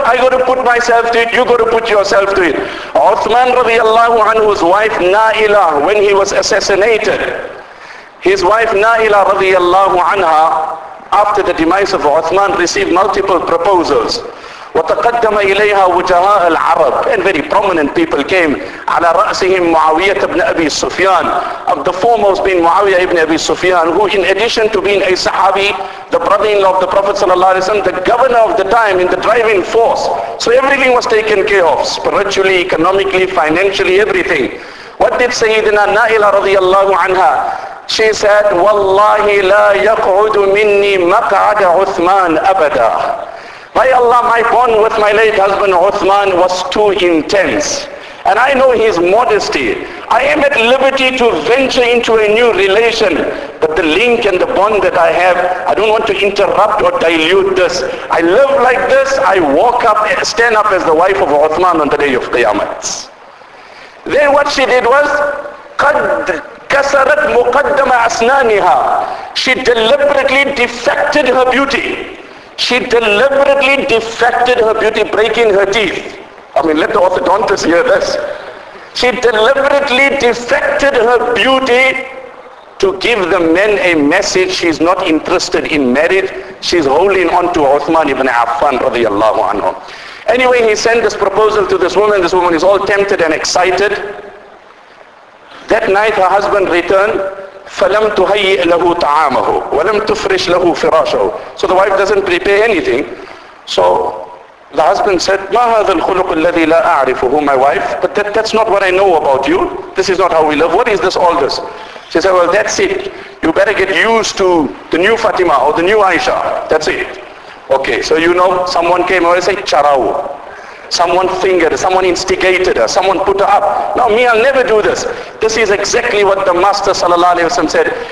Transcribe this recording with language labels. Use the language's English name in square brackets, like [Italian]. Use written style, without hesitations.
[English] I got to put myself to it, you got to put yourself to it. Uthman radiallahu anhu's wife Naila, when he was assassinated, his wife Naila radiallahu anha, after the demise of Uthman, received multiple proposals. [Arabic] وَتَقَدَّمَ إِلَيْهَا وُجَهَاءَ الْعَرَبِ. [English] And very prominent people came. [Arabic] عَلَى رَأْسِهِمْ مُعَوِيَةَ بْنَ أَبِي Sufyan. [English] Of the foremost being Muawiyah ibn Abi Sufyan, who in addition to being a Sahabi, the brother-in-law of the Prophet sallallahu alayhi wa sallam, the governor of the time in the driving force. So everything was taken care of, spiritually, economically, financially, everything. What did Sayyidina Naila radiallahu anha? She said, [Arabic] وَاللَّهِ لَا يَقْعُدُ مِنِّي مَقْعَدَ عُثْمَانَ أَبَدًا. [English] By Allah, my bond with my late husband Uthman was too intense. And I know his modesty. I am at liberty to venture into a new relation. But the link and the bond that I have, I don't want to interrupt or dilute this. I live like this, I walk up, stand up as the wife of Uthman on the day of Qiyamah. Then what she did was, [Arabic] قَدْ كَسَرَتْ مُقَدَّمَ أَسْنَانِهَا. [English] She deliberately defected her beauty. She deliberately defected her beauty, breaking her teeth. I mean, let the orthodontist hear this. She deliberately defected her beauty to give the men a message. She's not interested in marriage. She's holding on to Uthman ibn Affan radiallahu anhu. Anyway, he sent this proposal to this woman. This woman is all tempted and excited. That night her husband returned. [Arabic] فَلَمْ تُهَيِّئْ لَهُ تَعَامَهُ وَلَمْ تُفْرِشْ لَهُ فِرَاشَهُ. [English] So the wife doesn't prepare anything. So the husband said, [Arabic] مَا هَذَا الْخُلُقُ الَّذِي لَا أَعْرِفُهُ. [English] My wife, but that's not what I know about you. This is not how we live. What is this, all this? She said, well, that's it. You better get used to the new Fatima or the new Aisha. That's it. Okay, so you know, someone came over and said, charao. Someone fingered, someone instigated her, someone put her up. Now me, I'll never do this. This is exactly what the Master sallallahu alayhi wa sallam said.